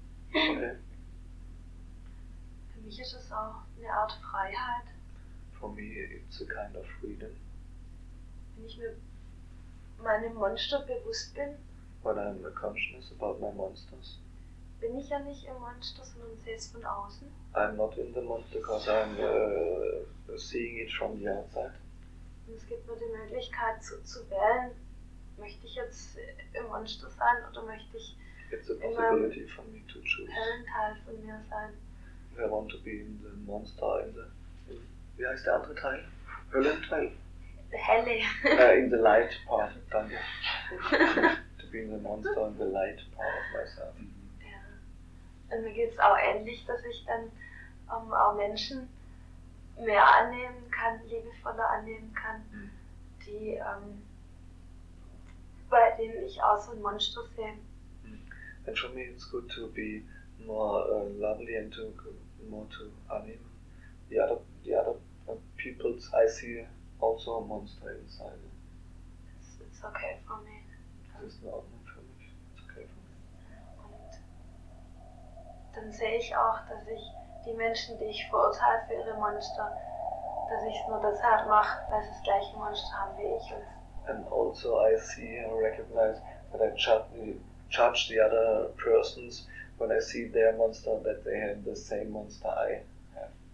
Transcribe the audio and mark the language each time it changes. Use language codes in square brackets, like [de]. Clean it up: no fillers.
[de] Für mich ist es auch eine Art Freiheit. [en] For me it's a kind of freedom. [de] Wenn ich mir meinem Monster bewusst bin. [en] When I'm conscious about my monsters. [de] Bin ich ja nicht im Monster, sondern sehe es von außen. [en] I'm not in the monster, because I'm seeing it from the outside. [de] Und es gibt mir die Möglichkeit zu wählen. Möchte ich jetzt im Monster sein oder möchte ich in meinem hellen Teil von mir sein? [en] If I want to be in the monster, in [de] wie heißt der andere Teil? Höllen Teil? [en] The helle. In the light part, danke. To be in the monster, in the light part of myself. [de] Ja. Und mir geht es auch ähnlich, dass ich dann auch Menschen mehr annehmen kann, liebevoller annehmen kann, die bei denen ich auch so ein Monster sehe. [en] And for me it's good to be more lovely and to more to anime. The other people's I see also a monster inside. It's okay for me. [de] Das ist in Ordnung für mich. [en] It's okay for me. [de] Und dann sehe ich auch, dass ich die Menschen, die ich verurteile für ihre Monster, dass ich es nur deshalb mache, weil sie das gleiche Monster haben wie ich. [en] And also I see and recognize that I judge the other persons when I see their monster, that they have the same monster I have.